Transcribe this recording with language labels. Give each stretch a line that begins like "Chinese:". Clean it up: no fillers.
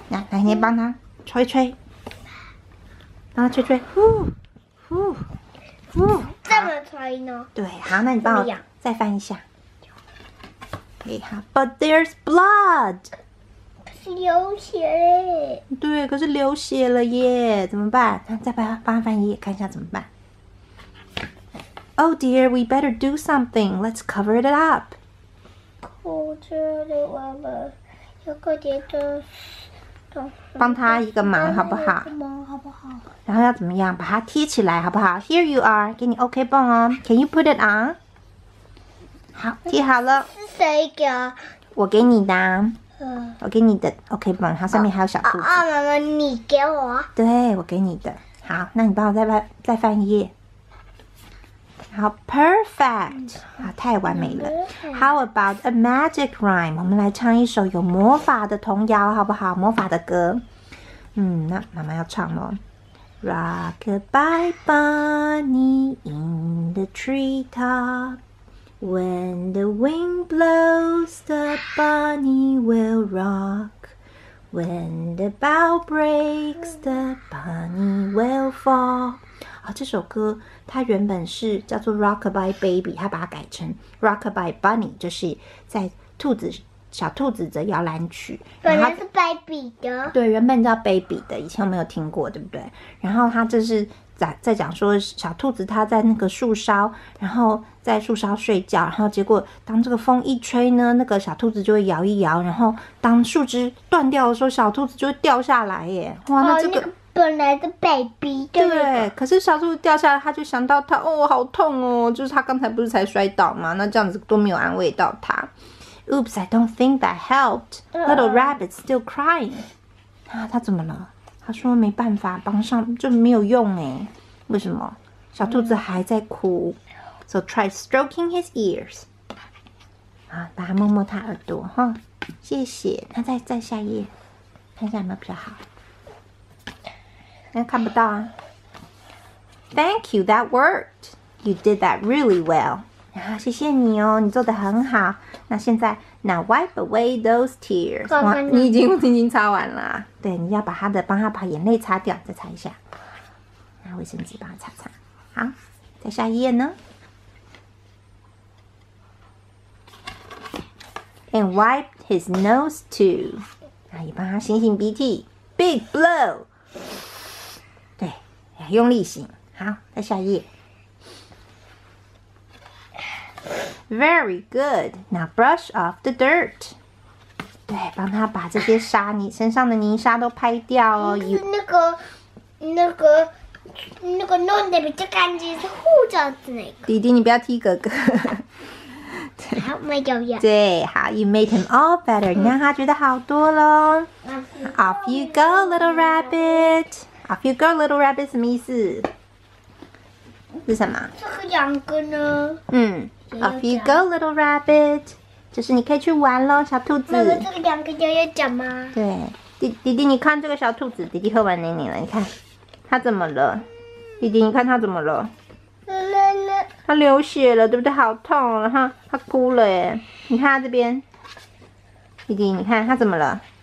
Chinese: 来，你帮他吹一吹，帮他吹吹，呼，呼，呼，这么吹呢？对，好，那你帮我再翻一下。
English: Okay, 好 ，But there's blood.
Chinese: 可是流血嘞。对，可是流血了耶，怎么办？再帮他翻一页，看一下怎么办。
English: Oh dear, we better do something. Let's cover it up.
Chinese: 哭着的娃娃。有个点的，帮他一个忙好不好？好不好？然后要怎么样？把它贴起来好不好 ？
English: Here you are，
Chinese: 给你 OK 绷哦。
English: Can you put it on？
Chinese: 好，贴好了。是谁给？我给你的。我给你的 OK 绷，它上面还有小兔子。妈妈，你给我。对，我给你的。好，那你帮我再翻一页。好 ，perfect， 好，太完美了。
English: How about a magic rhyme？
Chinese: 我们来唱一首有魔法的童谣，好不好？魔法的歌。嗯，那妈妈要唱喽。
English: Rock-a-bye bunny in the treetop. When the wind blows, the bunny will rock. When the bough breaks, the bunny will fall.
Chinese: 啊，这首歌它原本是叫做
English: Rockabye Baby，
Chinese: 它把它改成
English: Rockabye Bunny，
Chinese: 就是在兔子小兔子的摇篮曲。本来是 Baby 的，对，原本叫 Baby 的，以前我没有听过，对不对？然后它这是在讲说小兔子它在那个树梢，然后在树梢睡觉，然后结果当这个风一吹呢，那个小兔子就会摇一摇，然后当树枝断掉的时候，小兔子就会掉下来耶！哇，那这个。那个本来的 baby 对，可是小兔子掉下来，他就想到他哦，好痛哦，就是他刚才不是才摔倒吗？那这样子都没有安慰到他。
English: Oops, I don't think that helped. Little rabbit still crying.
Chinese: 啊，他怎么了？他说没办法帮上，就没有用哎。为什么？小兔子还在哭。 So try stroking his ears. 啊，把他摸摸他耳朵哈。谢谢。那再下一页，看一下有没有比较好。看不到啊。
English: Thank you, that worked. You did that really well.
Chinese: 啊，谢谢你哦，你做得很好。那现在
English: ，Now wipe away those tears.
Chinese: 你已经擦完了。对，你要把他的，帮他把眼泪擦掉，再擦一下。拿卫生纸帮他擦擦。好，再下一页呢。
English: And wipe his nose too.
Chinese: 那也帮他擤擤鼻涕。
English: Big blow.
Chinese: 用力擤，好，再下一页。
English: Very good. Now brush off the dirt.
Chinese: 对，帮他把这些沙泥身上的泥沙都拍掉哦。是那个弄得比较干净，是护着的那个。弟弟，你不要踢哥哥。好，没有呀。对，好
English: ，You made him all better.
Chinese: 你让他觉得好多喽。
English: Off you go, little rabbit. Off you go, little rabbit.
Chinese: 什么意思？是什么？这个两个呢？
English: Off you go, little rabbit.
Chinese: 就是你可以去玩喽，小兔子。那这个两个要讲吗？对，弟弟，你看这个小兔子，弟弟喝完奶奶了，你看，他怎么了？弟弟，你看他怎么了？他流血了，对不对？好痛，然后他哭了耶。你看他这边，弟弟，你看他怎么了？